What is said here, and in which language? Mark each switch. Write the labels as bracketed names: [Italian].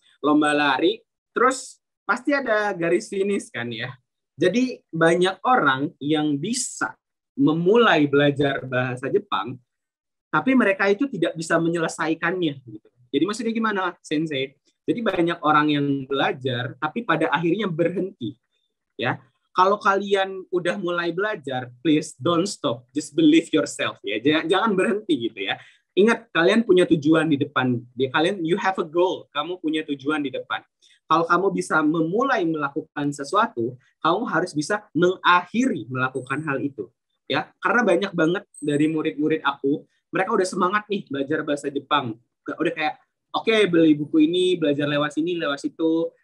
[Indonesian] Lomba lari terus pasti ada garis finish kan ya. Jadi banyak orang yang bisa memulai belajar bahasa Jepang, tapi mereka itu tidak bisa menyelesaikannya. Gitu. Jadi maksudnya gimana, Sensei? Jadi banyak orang yang belajar, tapi pada akhirnya berhenti. Ya, kalau kalian udah mulai belajar, [English] please don't stop, just believe yourself. [Indonesian] Ya, jangan berhenti gitu ya. Ingat, kalian punya tujuan di depan. Ya, kalian, [English] you have a goal. [Indonesian] Kamu punya tujuan di depan. Kalau kamu bisa memulai melakukan sesuatu, kamu harus bisa mengakhiri melakukan hal itu. Ya, karena banyak banget dari murid-murid aku, mereka udah semangat nih belajar bahasa Jepang. Udah kayak, oke, beli buku ini, belajar lewat sini, lewat situ.